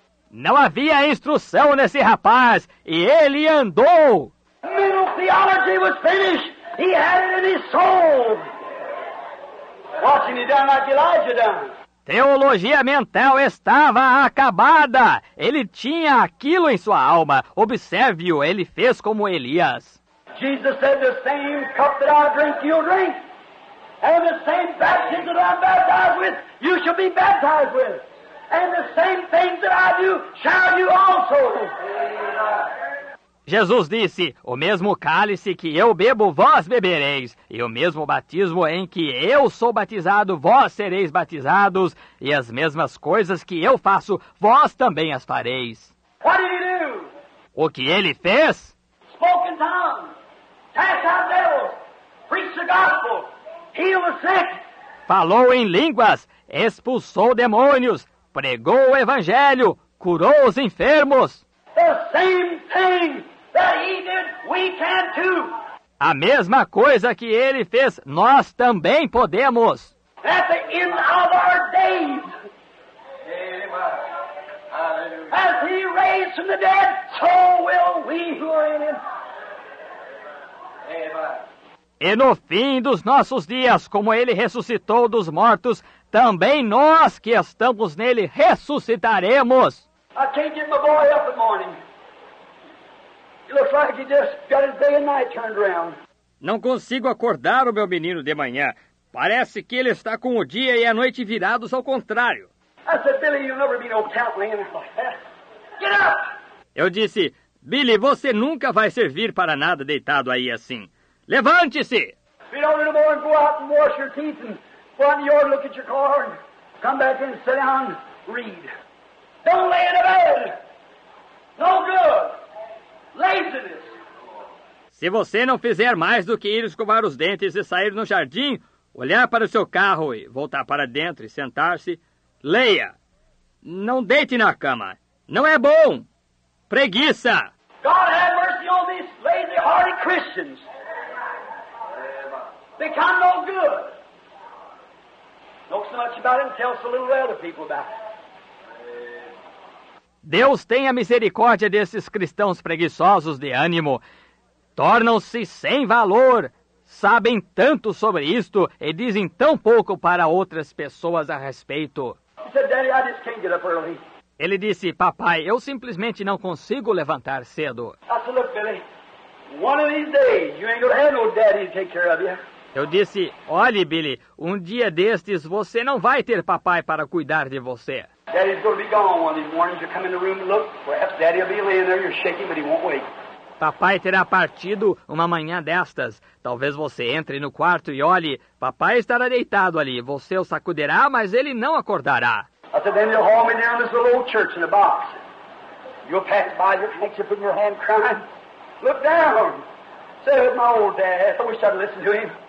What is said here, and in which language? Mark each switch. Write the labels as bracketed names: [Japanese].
[Portuguese] Não havia instrução nesse rapaz, e ele andou. [English] Middle theology was finished. He had it in his soul. Watching it down like Elijah done. [Portuguese] Teologia mental estava acabada. Ele tinha aquilo em sua alma. Observe-o, ele fez como Elias. [English] Jesus said, the same cup that I drink, you'll drink. And the same baptism that I'm baptized with, you shall be baptized with. And the same things that I do, shall you also. [Portuguese] Jesus disse, o mesmo cálice que eu bebo, vós bebereis. E o mesmo batismo em que eu sou batizado, vós sereis batizados. E as mesmas coisas que eu faço, vós também as fareis. [English] What did he do? [Portuguese] O que ele fez? [English] Spoke in tongues, cast out devils, preached the gospel, healed the sick. [Portuguese] Falou em línguas, expulsou demônios. Pregou o evangelho, curou os enfermos. [English] The same thing that he did, we can too. [Portuguese] A mesma coisa que ele fez, nós também podemos. [English] At the end of our days. As he raised from the dead, so will we who are in him. [Portuguese] E no fim dos nossos dias, como ele ressuscitou dos mortos, também nós que estamos nele ressuscitaremos. [English] I can't get my boy up in the morning. He looks like he just got his day and night turned around. [Portuguese] Não consigo acordar o meu menino de manhã. Parece que ele está com o dia e a noite virados ao contrário. [English] I said, Billy, you'll never be no count laying like that. Get up! [Portuguese] Eu disse, Billy, você nunca vai servir para nada deitado aí assim. Levante-se! [English] Get up in the morning, go out and wash your teeth and go on the yard, look at your car, and come back in, sit down, read. Don't lay in the bed. No good. Laziness. [Portuguese] Se você não fizer mais do que ir escovar os dentes e sair no jardim, olhar para o seu carro e voltar para dentro e sentar-se, leia. Não deite na cama. Não é bom. Preguiça. [English] God have mercy on these lazy-hearted Christians. They come no good. Talk so much about it and tell so little other people about it. [Portuguese] Deus tenha misericórdia desses cristãos preguiçosos de ânimo. Tornam-se sem valor. Sabem tanto sobre isto e dizem tão pouco para outras pessoas a respeito. [English] He said, Daddy, I just can't get up early. [Portuguese] Ele disse, papai, eu simplesmente não consigo levantar cedo. [English] I said, look, Billy, one of these days you ain't gonna have no daddy to take care of you. [Portuguese] Eu disse, olhe, Billy, um dia destes você não vai ter papai para cuidar de você. [English] Daddy's gonna be gone one of these mornings. You come in the room and look. Perhaps daddy'll be laying there, you're shaking, but he won't wake. [Portuguese] Papai terá partido uma manhã destas. Talvez você entre no quarto e olhe, papai estará deitado ali. Você o sacudirá, mas ele não acordará. [English] I said, then you'll haul me down this little old church in a box. You'll pass by, your handkerchief in your hand crying. Look down. Say, with my old dad. I wish I'd listened to him.